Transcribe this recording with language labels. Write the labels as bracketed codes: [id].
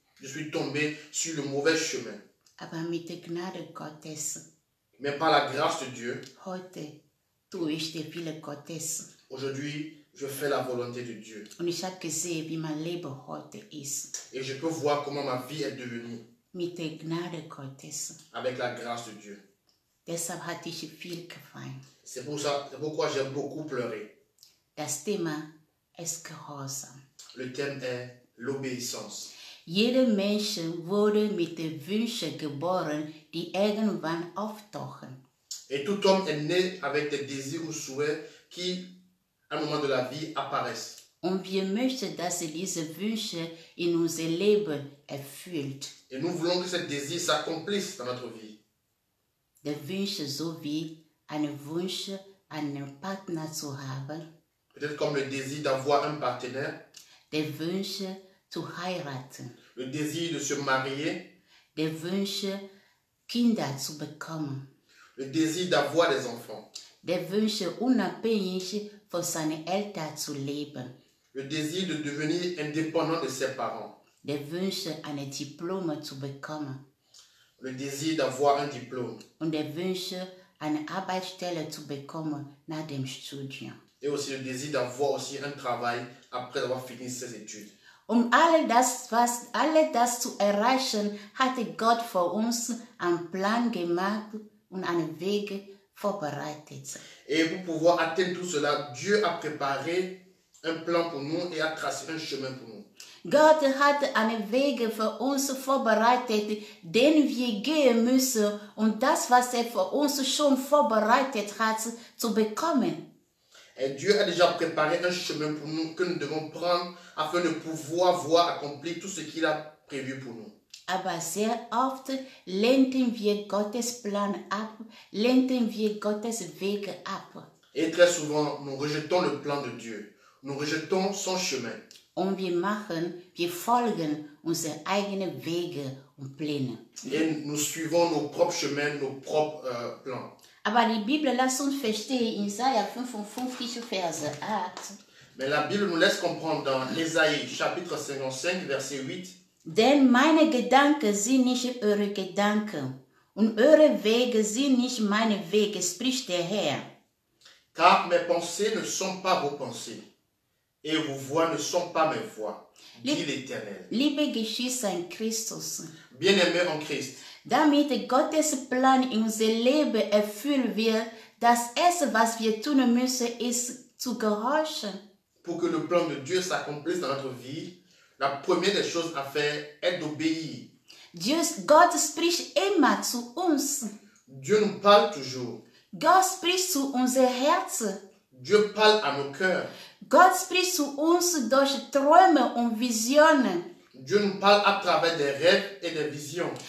[fr] Je suis tombé sur le mauvais chemin. [de] Aber mit der Gnade Gottes. [fr] Mais par la grâce de Dieu. [de] Heute tue ich die Wille Gottes. [fr] Aujourd'hui, je fais la volonté de Dieu. [de] Und ich habe gesehen, wie mein Leben heute ist. [fr] Et je peux voir comment ma vie est devenue. [de] Mit der Gnade Gottes. [fr] Avec la grâce de Dieu. [de] Deshalb hatte ich viel geweint. [fr] C'est pour ça, c'est pourquoi j'ai beaucoup pleuré. [de] Das Thema ist Gehorsam. [fr] Le thème est l'obéissance. [de] Jeder Mensch wurde mit den Wünschen geboren, die irgendwann auftauchen. [fr] Et tout homme est né avec des désirs ou souhaits qui, à un moment de la vie, apparaissent. [de] Und wir möchten, dass diese Wünsche in unser Leben erfüllt. [fr] Et nous voulons que ces désirs s'accomplissent dans notre vie. [de] Der Wunsch, so wie ein Wunsch, einen Partner zu haben. [fr] Peut-être comme le désir d'avoir un partenaire. [de] Der Wunsch, zu heiraten. [fr] Le désir de se marier. [de] Der Wunsch, Kinder zu bekommen. [fr] Le désir d'avoir des enfants. [de] Der Wunsch, unabhängig von seinen Eltern zu leben. [fr] Le désir de devenir indépendant de ses parents. [de] Der Wunsch, ein Diplôme zu bekommen. [fr] Le désir d'avoir un diplôme. [de] Und der Wunsch, eine Arbeitsstelle zu bekommen nach dem Studium. [fr] Et aussi le désir d'avoir aussi un travail après avoir fini ses études. [de] Um alle das zu erreichen, hatte Gott für uns einen Plan gemacht und einen Weg vorbereitet. [fr] Et pour pouvoir atteindre tout cela, Dieu a préparé un plan pour nous et a tracé un chemin pour nous. [de] Gott hat einen Weg für uns vorbereitet, den wir gehen müssen, um das, was für uns schon vorbereitet hat, zu bekommen. [fr] Et Dieu a déjà préparé un chemin pour nous que nous devons prendre afin de pouvoir voir accomplir tout ce qu'il a prévu pour nous. [de] Aber sehr oft lenken wir Gottes Plan ab, lenken wir Gottes Weg ab. [fr] Et très souvent, nous rejetons le plan de Dieu. Nous rejetons son chemin. [de] Und wir folgen unseren eigenen Wegen und Plänen. [fr] Et nous suivons nos propres chemins, nos propres plans. [de] Aber die Bibel lässt uns verstehen in Isaiah 55, Vers 8. [fr] Mais la Bible nous laisse comprendre dans Isaïe, chapitre 55, verset 8. [de] Denn meine Gedanken sind nicht eure Gedanken, und eure Wege sind nicht meine Wege, spricht der Herr. [fr] Car mes pensées ne sont pas vos pensées. Et vos voix ne sont pas mes voix, dit l'Éternel. [de] Liebe Geschwister in Christus. [fr] Bien-aimés en Christ. [de] Damit Gottes Plan in unser Leben erfüllt wird, das Erste, was wir tun müssen, ist zu gehorchen. [fr] Pour que le plan de Dieu s'accomplisse dans notre vie, la première des choses à faire est d'obéir. [de] Gott spricht immer zu uns. [fr] Dieu nous parle toujours. [de] Gott spricht zu unser Herz. [fr] Dieu parle à nos cœurs. [de] Gott spricht zu uns durch Träume und Visionen. [fr] Dieu nous parle à travers des rêves et des visions.